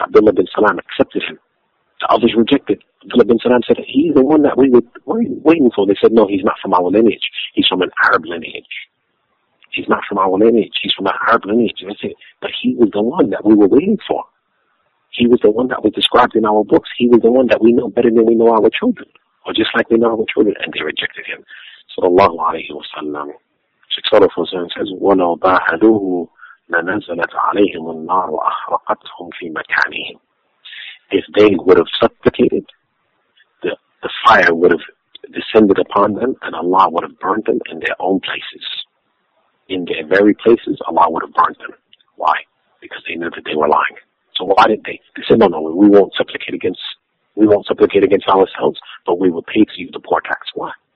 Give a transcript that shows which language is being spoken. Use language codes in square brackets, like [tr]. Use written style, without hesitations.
[en] Abdullah bin Salam accepted him. The others rejected. Abdullah bin Salam said, he's the one that we were waiting for. They said, no, he's not from our lineage. He's from an Arab lineage. He's not from our lineage. He's from an Arab lineage. That's it. But he was the one that we were waiting for. He was the one that was described in our books. He was the one that we know better than we know our children. Or just like we know our children. And they rejected him. Sallallahu alayhi wa sallam. Sheikh Sadr Fawzan says, [ar] وَلَوْ بَاهَدُوهُ لَنَزَلَتْ عَلَيْهِمُ النَّارُ وَأَحْرَقَتْهُمْ فِي مَكَانِهِمْ. [en] If they would have suffocated, the fire would have descended upon them, and Allah would have burned them in their own places. In their very places, Allah would have burned them. Why? Because they knew that they were lying. So why did they? They said, no, we won't supplicate against ourselves, but we will pay to you the poor tax. Why?